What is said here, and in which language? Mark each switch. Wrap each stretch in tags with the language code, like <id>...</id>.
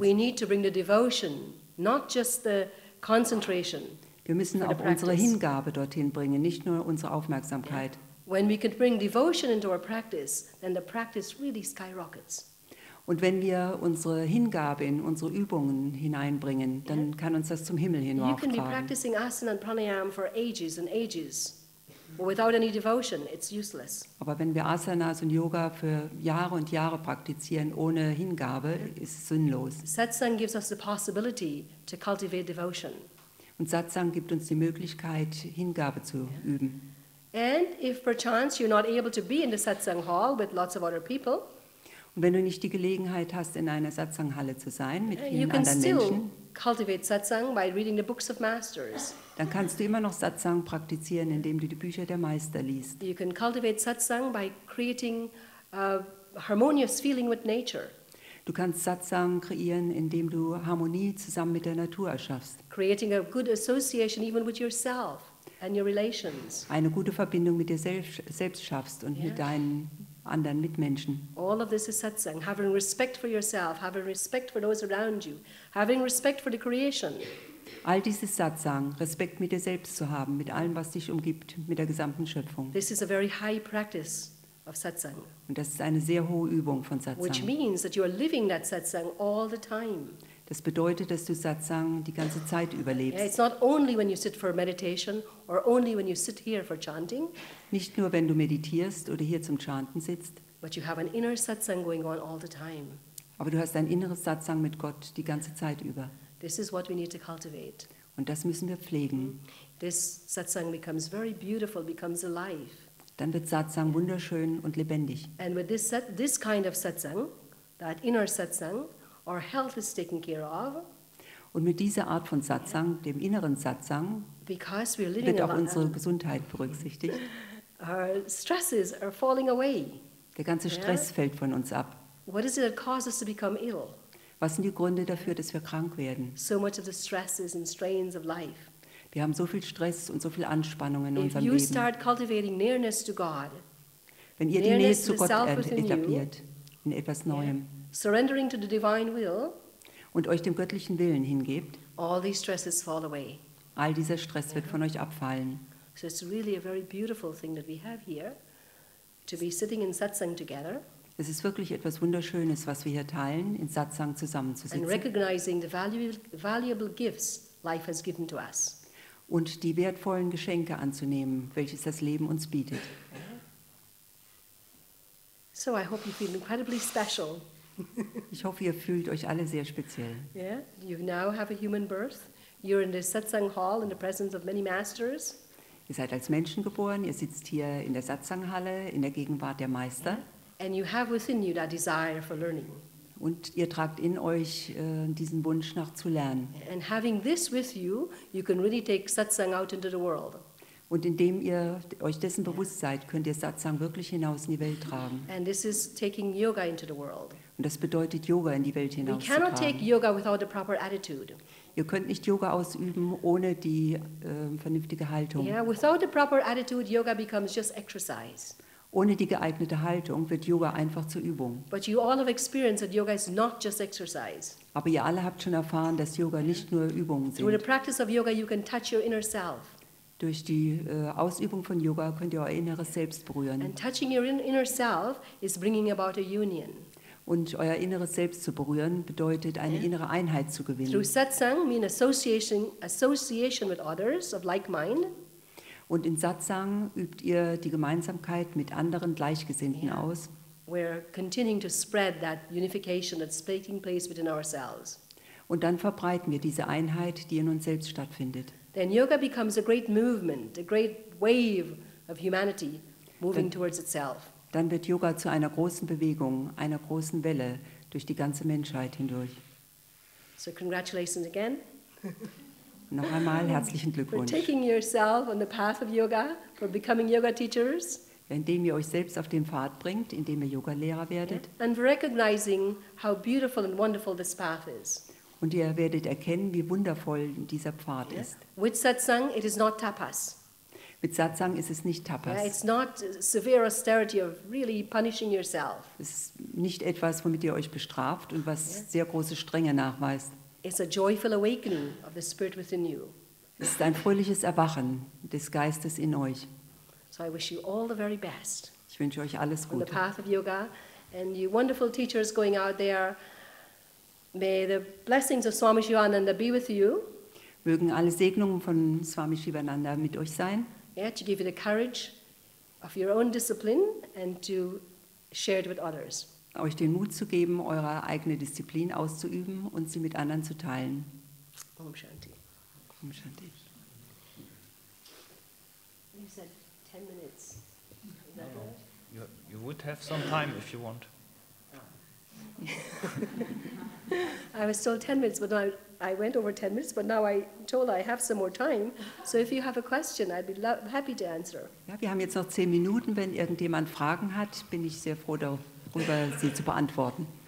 <en>We need to bring the devotion, not just the concentration.</en> <de>Wir müssen auch unsere Hingabe dorthin bringen, nicht nur unsere Aufmerksamkeit.</de> <en>Yeah. When we can bring devotion into our practice, then the practice really skyrockets.</en> <de>Und wenn wir unsere Hingabe in unsere Übungen hineinbringen, dann kann uns das zum Himmel hin auftragen.</de> <en>You can be practicing asana and pranayama for ages and ages, but without any devotion, it's useless.</en> <de>Aber wenn wir Asanas und Yoga für Jahre und Jahre praktizieren ohne Hingabe, ist es sinnlos.</de> <en>Satsang gives us the possibility to cultivate devotion.</en> <de>Und Satsang gibt uns die Möglichkeit, Hingabe zu üben.</de> <en>And if perchance you're not able to be in the satsang hall with lots of other people,</en> <de>und wenn du nicht die Gelegenheit hast, in einer Satsanghalle zu sein mit vielen anderen Menschen,</de> <en>you can still cultivate satsang by reading the books of masters.</en> <de>Dann kannst du immer noch Satsang praktizieren, indem du die Bücher der Meister liest.</de> <en>You can cultivate satsang by creating a harmonious feeling with nature.</en> <de>Du kannst Satsang kreieren, indem du Harmonie zusammen mit der Natur erschaffst.</de> <en>Creating a good association even with yourself. And your relations.</en> <de>Eine gute Verbindung mit dir selbst schaffst und mit deinen anderen Mitmenschen.</de> <en>All of this is satsang. Having respect for yourself, having respect for those around you, having respect for the creation.</en> <de>All dies ist Satsang, Respekt mit dir selbst zu haben, mit allem, was dich umgibt, mit der gesamten Schöpfung.</de> <en>This is a very high practice of satsang.</en> <de>Und das ist eine sehr hohe Übung von Satsang.</de> <en>Which means that you are living that satsang all the time.</en> <de>Das bedeutet, dass du Satsang die ganze Zeit überlebst.</de> <en>Yeah, it's not only when you sit for meditation or only when you sit here for chanting.</en> <de>Nicht nur wenn du meditierst oder hier zum Chanten sitzt.</de> <en>But you have an inner satsang going on all the time.</en> <de>Aber du hast ein inneres Satsang mit Gott die ganze Zeit über.</de> <en>This is what we need to cultivate.</en> <de>Und das müssen wir pflegen.</de> <en>This satsang becomes very beautiful, becomes alive.</en> <de>Dann wird Satsang wunderschön und lebendig.</de> <en>And with this kind of satsang, that inner satsang, our health is taken care of.</en> <de>Und mit dieser Art von Satsang, dem inneren Satsang,</de> <en>because we're living</en> <de>wird auch unsere Gesundheit berücksichtigt.</de> <en>Our stresses are falling away.</en> <de>Der ganze Stress fällt von uns ab.</de> <en>What is it that causes us to become ill?</en> <de>Was sind die Gründe dafür, dass wir krank werden?</de> <en>So much of the stresses and strains of life.</en> <de>Wir haben so viel Stress und so viel Anspannung in unserem Leben.</de> <en>If you start cultivating nearness to God,</en> <de>wenn ihr die Nähe zu Gott etabliert, in etwas Neuem,</de> <en>surrendering to the divine will,</en> <de>und euch dem göttlichen Willen hingebt,</de> <en>all these stresses fall away.</en> <de>All dieser Stress wird von euch abfallen.</de> <en>So it's really a very beautiful thing that we have here, to be sitting in satsang together.</en> <de>Es ist wirklich etwas Wunderschönes, was wir hier teilen, in Satsang zusammenzusitzen.</de> <en>And recognizing the valuable gifts life has given to us.</en> <de>Und die wertvollen Geschenke anzunehmen, welches das Leben uns bietet.</de> <en>So I hope you feel incredibly special.</en> <de>Ich hoffe, ihr fühlt euch alle sehr speziell.</de> <en>Yeah, you now have a human birth. You're in the satsang hall in the presence of many masters.</en> <de>Ihr seid als Menschen geboren, ihr sitzt hier in der Satsanghalle in der Gegenwart der Meister.</de> <en>And you have within you that desire for learning.</en> <de>Und ihr tragt in euch diesen Wunsch nach zu lernen.</de> <en>And having this with you, you can really take satsang out into the world.</en> <de>Und indem ihr euch dessen bewusst seid, könnt ihr Satsang wirklich hinaus in die Welt tragen.</de> <en>And this is taking yoga into the world.</en> <de>Und das bedeutet, Yoga in die Welt hinaus zu tragen.</de> <en>We cannot take yoga without the proper attitude.</en> <de>Ihr könnt nicht Yoga ausüben ohne die vernünftige Haltung.</de> <en>Yeah, without the proper attitude, yoga becomes just exercise.</en> <de>Ohne die geeignete Haltung wird Yoga einfach zur Übung.</de> <en>But you all have experienced that yoga is not just exercise.</en> <de>Aber ihr alle habt schon erfahren, dass Yoga nicht nur Übungen sind.</de> <en>Through the practice of yoga, you can touch your inner self.</en> <de>Durch die Ausübung von Yoga könnt ihr euer inneres Selbst berühren.</de> <en>And touching your inner self is bringing about a union.</en> <de>Und euer inneres Selbst zu berühren bedeutet, eine innere Einheit zu gewinnen.</de> <en>Through satsang means association with others of like mind.</en> <de>Und in Satsang übt ihr die Gemeinsamkeit mit anderen Gleichgesinnten aus.</de> <en>We're continuing to spread that unification that's taking place within ourselves.</en> <de>Und dann verbreiten wir diese Einheit, die in uns selbst stattfindet.</de> <en>Then yoga becomes a great movement, a great wave of humanity moving towards itself.</en> <de>Dann wird Yoga zu einer großen Bewegung, einer großen Welle durch die ganze Menschheit hindurch.</de> <en>So congratulations again.</en> <de>Noch einmal herzlichen Glückwunsch.</de> <en>For taking yourself on the path of yoga, for becoming yoga teachers.</en> <de>Indem ihr euch selbst auf den Pfad bringt, indem ihr Yoga-Lehrer werdet.</de> <en>Yeah. And recognizing how beautiful and wonderful this path is.</en> <de>Und ihr werdet erkennen, wie wundervoll dieser Pfad ist.</de> <en>With satsang, it is not tapas.</en> <de>Mit Satsang ist es nicht tapas.</de> <en>It's not severe austerity of really punishing yourself.</en> <de>Es ist nicht etwas, womit ihr euch bestraft und was sehr große Strenge nachweist.</de> <en>It's a joyful awakening of the spirit within you.</en> <de>Es ist ein fröhliches Erwachen des Geistes in euch.</de> <en>So I wish you all the very best.</en> <de>Ich wünsche euch alles Gute.</de> <en>On the path of yoga and you wonderful teachers going out there. May the blessings of Swami Shivananda be with you.</en> <de>Mögen alle Segnungen von Swami Shivananda mit euch sein.</de> <en>Yeah, to give you the courage of your own discipline and to share it with others.</en> <de>Euch den Mut zu geben, eure eigene Disziplin auszuüben und sie mit anderen zu teilen.</de> <sa>Om Shanti. Om Shanti.</sa> <en>You said 10 minutes. You would have some time if you want. I was told 10 minutes, but now I went over 10 minutes, but now I told I have some more time. So if you have a question, I'd be happy to answer.</en> <de>Ja, wir haben jetzt noch 10 Minuten. Wenn irgendjemand Fragen hat, bin ich sehr froh darüber, sie zu beantworten.</de>